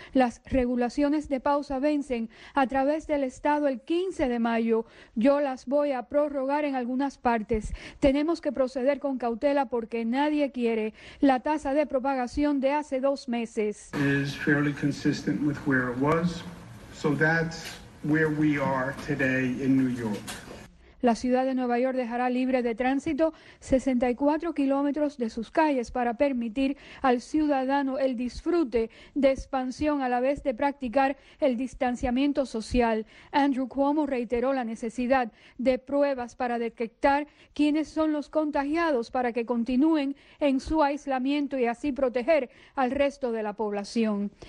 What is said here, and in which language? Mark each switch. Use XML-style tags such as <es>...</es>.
<es>Las regulaciones de pausa vencen a través del estado el 15 de mayo. Yo las voy a prorrogar en algunas partes. Tenemos que proceder con cautela porque nadie quiere la tasa de propagación de hace dos meses.</es> <en>Is fairly consistent with where it was. So that's where we are today in New York.</en> <es>La ciudad de Nueva York dejará libre de tránsito 64 kilómetros de sus calles para permitir al ciudadano el disfrute de expansión a la vez de practicar el distanciamiento social. Andrew Cuomo reiteró la necesidad de pruebas para detectar quiénes son los contagiados para que continúen en su aislamiento y así proteger al resto de la población.</es>